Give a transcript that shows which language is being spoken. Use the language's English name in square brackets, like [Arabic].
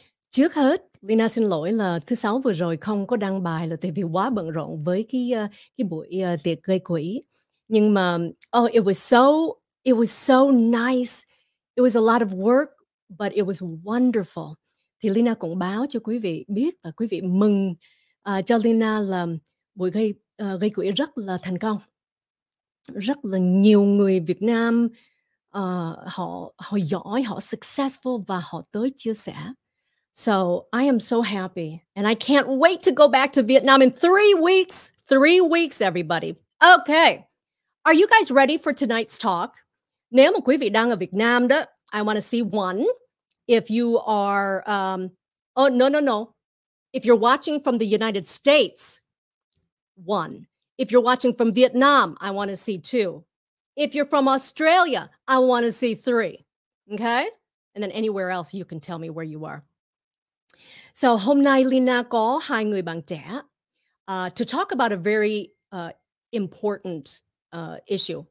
[Vietnamese] Trước hết, Lina xin lỗi là thứ sáu vừa rồi không có đăng bài là tại vì quá bận rộn với cái buổi tiệc gây quỹ. Nhưng mà, [English] it was so nice. It was a lot of work, but it was wonderful. [Vietnamese] Thì Lina cũng báo cho quý vị biết và quý vị mừng cho Lina là buổi gây quỹ rất là thành công. Rất là nhiều người Việt Nam họ họ giỏi, họ successful và họ tới chia sẻ. [English] So I am so happy and I can't wait to go back to Vietnam in 3 weeks. 3 weeks, everybody. Okay. Are you guys ready for tonight's talk? [Vietnamese] Nếu mà quý vị đang ở Việt Nam đó, [English] I want to see one. If you are, oh, no. If you're watching from the United States, one. If you're watching from Vietnam, I want to see two. If you're from Australia, I want to see three. Okay? And then anywhere else, you can tell me where you are. [Vietnamese] So hôm nay Lina có hai người bạn trẻ [English] to talk about a very important issue.